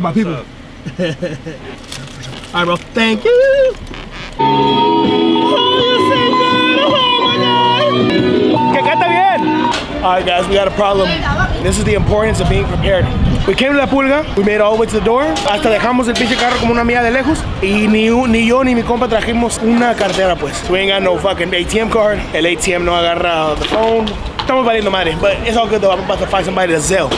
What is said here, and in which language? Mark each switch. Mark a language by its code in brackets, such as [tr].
[en] my people. Up? All right, bro. Thank you. [es] Que canta bien. [en] All right, guys, we got a problem. This is the importance of being prepared. We came to La Pulga, we made it all the way to the door. [es] Hasta dejamos el pinche carro como una mía de lejos. Y ni yo ni mi compa trajimos una cartera, pues. [en] We ain't got no fucking ATM card. [es] El ATM no agarra [en] the phone. [es] Estamos valiendo madre, [en] but it's all good though. I'm about to find somebody to sell.